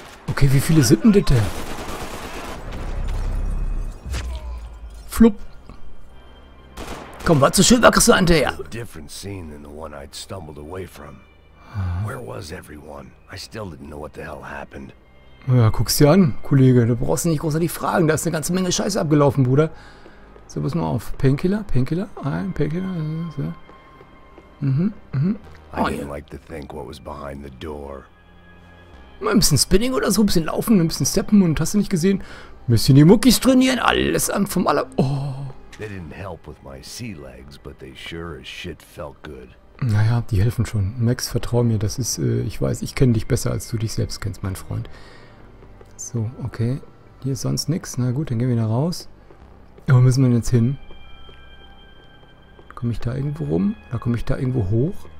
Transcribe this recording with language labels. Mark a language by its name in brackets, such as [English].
[German] Okay, wie viele sind denn bitte? Flupp! Komm, war zu schön, wackerst du hinterher? [English] A different scene than the one I'd stumbled away from. Where was everyone? I still didn't know what the hell happened. [German] Ja, guck's dir an, Kollege. Du brauchst nicht großartig fragen. Da ist eine ganze Menge Scheiße abgelaufen, Bruder. So, pass mal auf. Painkiller. Ein Painkiller. So. [English] Oh, I didn't like to think what was behind the door. [German] Mal ein bisschen Spinning oder so, ein bisschen Laufen, ein bisschen Steppen und hast du nicht gesehen? Ein bisschen die Muckis trainieren, alles an vom aller... Oh. [English] They didn't help with my sea legs, but they sure as shit felt good. [German] Naja, die helfen schon. Max, vertrau mir, das ist, ich weiß, ich kenne dich besser, als du dich selbst kennst, mein Freund. So, okay. Hier ist sonst nichts. Na gut, dann gehen wir da raus. Ja, wo müssen wir denn jetzt hin? Komme ich da irgendwo rum? Oder komme ich da irgendwo hoch?